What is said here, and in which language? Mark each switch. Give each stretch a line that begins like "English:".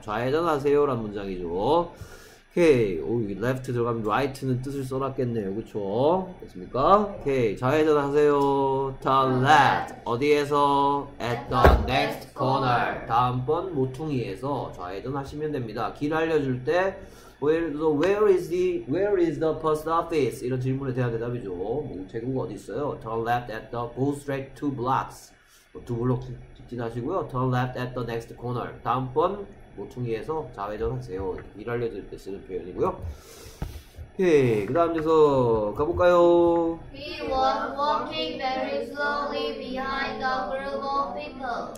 Korean: 좌회전하세요라는 문장이죠. 오케이. 오, 여기 left 들어가면 right는 뜻을 써놨겠네요. 그쵸? 됐습니까? 오케이. 좌회전하세요.
English: Turn left.
Korean: 어디에서?
English: At the next corner.
Korean: 다음번 모퉁이에서 좌회전하시면 됩니다. 길 알려줄 때,
English: where is the post office?
Korean: 이런 질문에 대한 대답이죠. 우체국 어디 있어요?
English: Turn left at the, go straight two blocks.
Korean: 두 블록 직진하시고요.
English: Turn left at the next corner.
Korean: 다음번 모퉁이에서 좌회전하세요. 일 알려드릴 때 쓰는 표현이고요. 오케이. 그 다음 녀석 가볼까요?
English: He was walking very slowly behind a group of people.